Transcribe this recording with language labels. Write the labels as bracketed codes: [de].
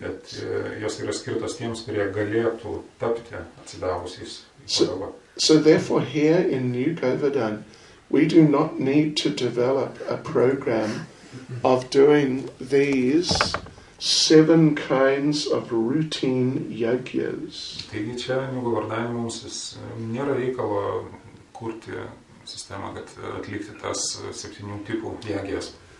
[lt] Bet jos yra skirtos tiems, kurie galėtų tapti atsidavusiais. [en] So therefore here in New Govardhan, we do not need to develop a program of doing these seven kinds of routine yagyas. [lt] Taigi čia New Govardhan mums nėra reikalo kurti sistemą, kad atlikti tas septynių tipų yagyas.